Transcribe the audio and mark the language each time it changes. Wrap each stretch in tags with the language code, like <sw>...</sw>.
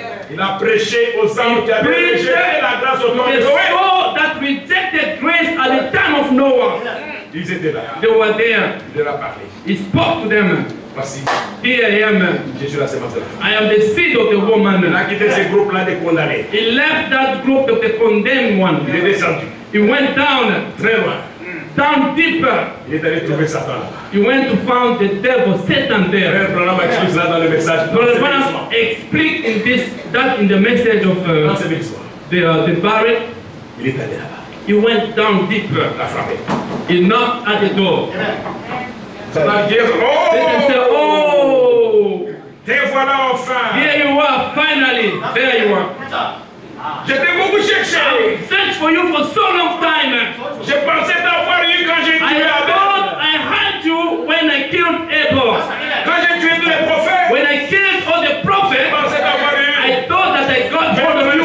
<fr>Il a prêché aux âmes qui avaient rejeté la grâce au temps de Noé.</fr> <en>The soul that rejected grace at the time of Noah.</en> <fr>Ils étaient là.</fr> <en>They were there.</en> <fr>Il leur a parlé.</fr> <en>He spoke to them. Here I am. I am the seed of the woman. He left that group of the condemned one. He went down. Down deeper. He went to find the devil, Satan there. Brother, explain in this that in the message of the barrel. He went down deeper. He knocked at the door. Oh, oh,</en> <fr>voilà enfin.</fr> <en>Here you are, finally. There you are.</en> <fr>Je t'ai beaucoup cherché.</fr> <en>I searched for you for so long time.</en> <fr>Je pensais t'avoir eu quand j'ai tué Abel.</fr> <en>I thought I had you when I killed Abel.</en> <fr>Quand j'ai tué tous les prophètes.</fr> <en>When I killed all the prophets.</en> <fr>Je pensais t'avoir eu.</fr> <en>I thought that I got hold of you.</en>